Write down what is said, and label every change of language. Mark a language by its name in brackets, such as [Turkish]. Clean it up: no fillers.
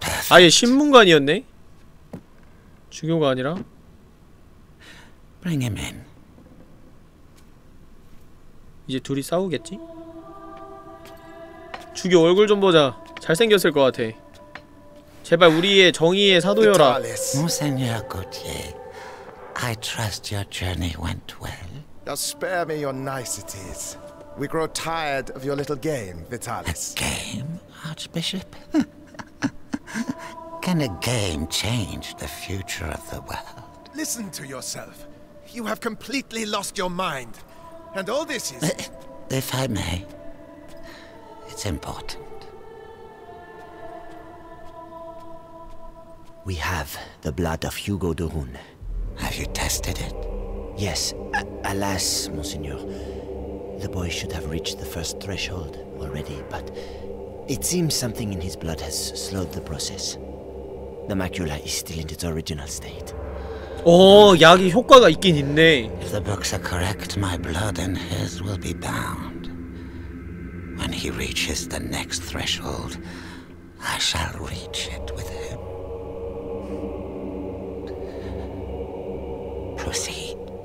[Korean] 아예 신문관이었네? 주교가 아니라? [English] Bring him in. [Korean] 이제 둘이 싸우겠지? 주교 얼굴 좀 보자. 잘생겼을 것 같아. 제발 우리의 정의의 사도여라. [English] Monseigneur Gautier, I trust your journey went well. Now spare me your niceties. We grow tired of your little game, Vitalis. A game, Archbishop? Can a game change the future of the world? Listen to yourself. You have completely lost your mind. And all this is... If I may, it's important. We have the blood of Hugo de Rune. Have you tested it? Yes. Alas, Monseigneur. The boy should have reached the first threshold already, but it seems something in his blood has slowed the process. The macula is still in its original state. [Korean] 어, 약이 효과가 있긴 있네. [English] If the books are correct, my blood and his will be bound. When he reaches the next threshold, I shall reach it with him. Proceed.